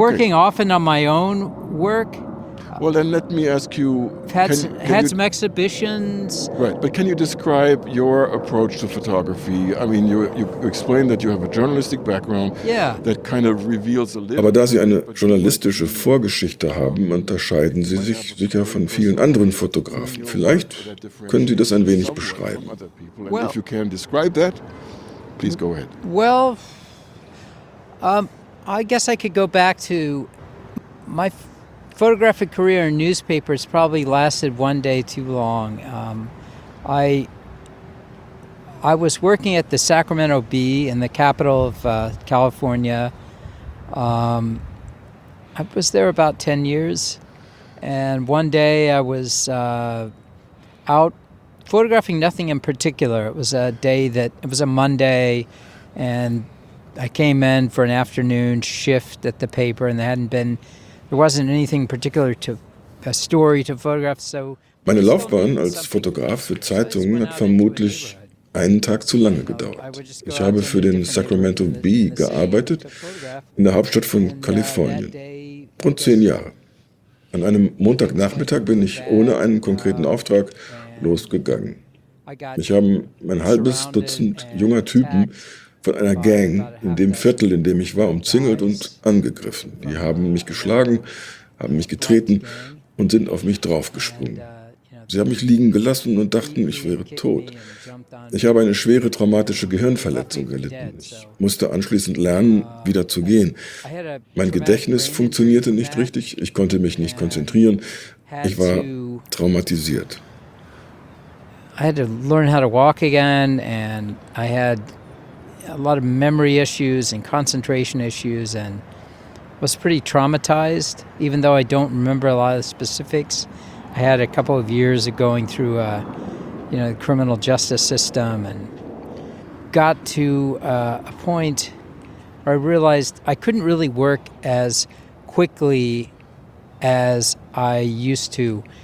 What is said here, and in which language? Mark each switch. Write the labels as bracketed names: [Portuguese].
[English] Working often on my own work. Well, then let me ask you... Had some exhibitions. Right, but can you describe your approach to photography? I mean, you explained that you have a journalistic background. Yeah. That kind of reveals a little... Aber da Sie eine journalistische Vorgeschichte haben, unterscheiden Sie sich sicher von vielen anderen Fotografen. Vielleicht können Sie das ein wenig beschreiben. Well, if you can describe that, please go ahead. Well, I guess I could go back to my photographic career in newspapers probably lasted one day too long. I was working at the Sacramento Bee in the capital of California. I was there about 10 years. And one day I was out photographing nothing in particular. It was a day that, it was a Monday, and I came in for an afternoon shift at the paper, and there wasn't anything particular to a story to photograph. So [German] meine Laufbahn als Fotograf für Zeitungen hat vermutlich einen Tag zu lange gedauert. Ich habe für den Sacramento Bee gearbeitet, in der Hauptstadt von Kalifornien, rund 10 Jahre. An einem Montagnachmittag bin ich ohne einen konkreten Auftrag losgegangen. Mich haben ein halbes Dutzend junger Typen von einer Gang in dem Viertel, in dem ich war, umzingelt und angegriffen. Die haben mich geschlagen, haben mich getreten und sind auf mich draufgesprungen. Sie haben mich liegen gelassen und dachten, ich wäre tot. Ich habe eine schwere traumatische Gehirnverletzung erlitten. Ich musste anschließend lernen, wieder zu gehen. Mein Gedächtnis funktionierte nicht richtig. Ich konnte mich nicht konzentrieren. Ich war traumatisiert. [English] I had to learn how to walk again, and I had a lot of memory issues and concentration issues, and was pretty traumatized. Even though I don't remember a lot of specifics, I had a couple of years of going through, the criminal justice system, and got to a point where I realized I couldn't really work as quickly as I used to.